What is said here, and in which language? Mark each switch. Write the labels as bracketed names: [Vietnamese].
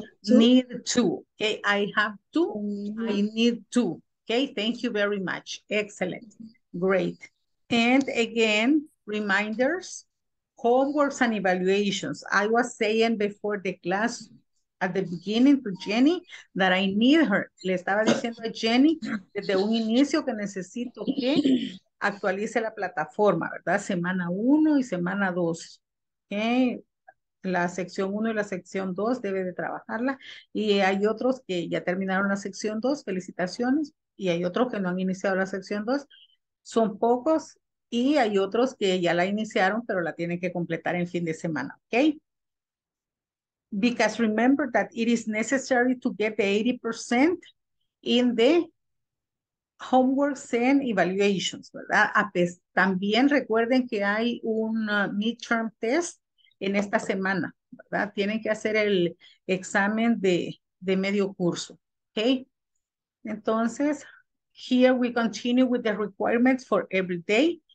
[English] Need to. Okay, I have to. I need to. Okay, thank you very much. Excellent. Great. And again, reminders, homeworks and evaluations. I was saying before the class at the beginning to Jenny that I need her. [Spanish] Le estaba diciendo a Jenny desde un inicio que necesito que actualice la plataforma, ¿verdad? Semana 1 y semana 2. Okay. La sección 1 y la sección 2 debe de trabajarla. Y hay otros que ya terminaron la sección 2. Felicitaciones. Y hay otros que no han iniciado la sección 2. Son pocos. Y hay otros que ya la iniciaron, pero la tienen que completar en fin de semana. [English] Okay? Because remember that it is necessary to get the 80% in the homeworks and evaluations, ¿verdad? [Spanish] También recuerden que hay un midterm test en esta semana, ¿verdad? Tienen que hacer el examen de medio curso, ¿okay? [English] Entonces, here we continue with the requirements for every day.